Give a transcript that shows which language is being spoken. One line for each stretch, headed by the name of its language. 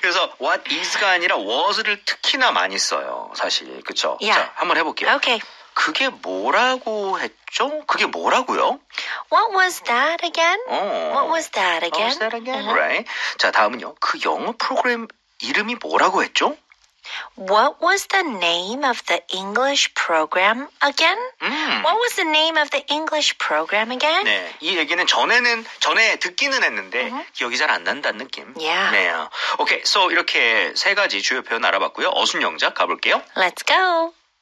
Korean: 그래서 what is가 아니라 was를 특히나 많이 써요. 사실. 그렇죠?
English: Yeah.
Korean: 자, 한번 해볼게요.
English: Okay.
Korean: 그게 뭐라고 했죠? 그게 뭐라고요?
English: What was that again? What was that again? What was that again? Right.
Korean: 자, 다음은요. 그 영어 프로그램 이름이 뭐라고 했죠?
English: What was the name of the English program again? What was the name of the English program again?
Korean: 네, 이 얘기는 전에는 전에 듣기는 했는데 기억이 잘 안 난다는 느낌.
English: Yeah.
Korean: 네.
English: Okay, so
Korean: 이렇게 세 가지 주요 표현 알아봤고요. 어순영작 가볼게요.
English: Let's go.